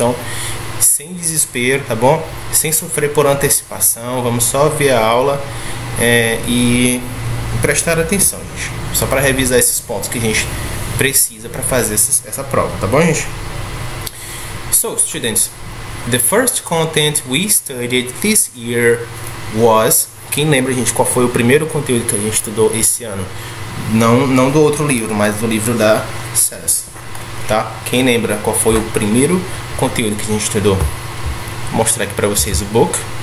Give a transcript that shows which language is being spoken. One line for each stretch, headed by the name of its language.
Portuguese: Então, sem desespero, tá bom? Sem sofrer por antecipação, vamos só ver a aula e prestar atenção, gente. Só para revisar esses pontos que a gente precisa para fazer essa prova, tá bom, gente?
English: So, students, the first content we studied this year was...
Portuguese: Quem lembra, gente, qual foi o primeiro conteúdo que a gente estudou esse ano? Não do outro livro, mas do livro da SES, tá? Quem lembra qual foi o primeiro conteúdo que a gente estudou? Vou mostrar aqui para vocês o book.